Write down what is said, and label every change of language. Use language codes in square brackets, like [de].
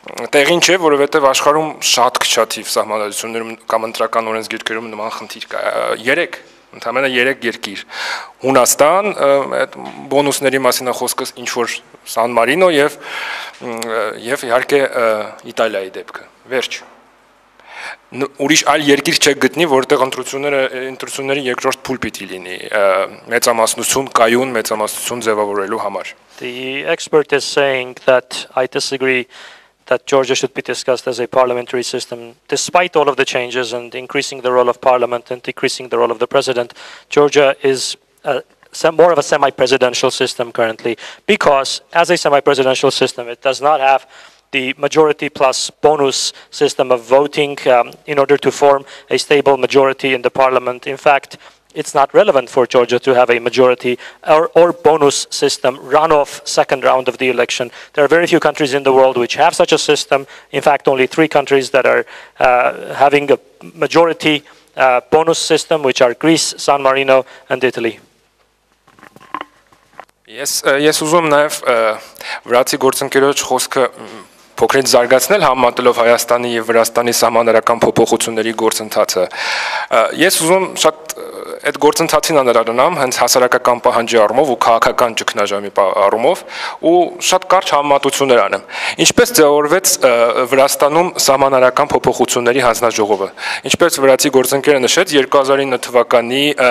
[hy] տեղին չէ, որովհետև աշխարհում շատ քչաթիվ համանալություններում կամ ընտրական օրենսգիրքերում նման խնդիր կա։ 3 ընդամենը 3 երկիր, Հունաստան, այդ բոնուսների մասին խոսքը ինչ որ Սան Մարինո եւ իհարկե Իտալիայի դեպքը, վերջ։ Ուրիշ այլ երկիր չէ գտնի, որտեղ ընտրությունների երկրորդ փուլ պիտի լինի մեծամասնություն կայուն մեծամասնություն ձևավորելու համար։ [en] The expert is saying that I disagree that Georgia should be discussed as a parliamentary system. Despite all of the changes and increasing the role of parliament and decreasing the role of the president, Georgia is more of a semi-presidential system currently, because as a semi-presidential system, it does not have the majority plus bonus system of voting in order to form a stable majority in the parliament. In fact, it's not relevant for Georgia to have a majority or bonus system runoff second round of the election. There are very few countries in the world which have such a system. In fact, only 3 countries that are having a majority bonus system, which are Greece, San Marino, and Italy. [hy] Yes, uzum naev vratsi gortsankeroj khoske փոքրից զարգացնել համատելով Հայաստանի եւ Վրաստանի համանրական փոփոխությունների գործընթացը։ Ես ուզում շատ այդ գործընթացին անդրադառնամ հենց հասարակական պահանջի առումով ու քաղաքական ճգնաժամի առումով ու շատ կարճ համատություններ անեմ։ Ինչպես ձևավորվեց Վրաստանում համանրական փոփոխությունների հանձնաժողովը։ Ինչպես վրացի գործընկերը նշեց, 2009 թվականի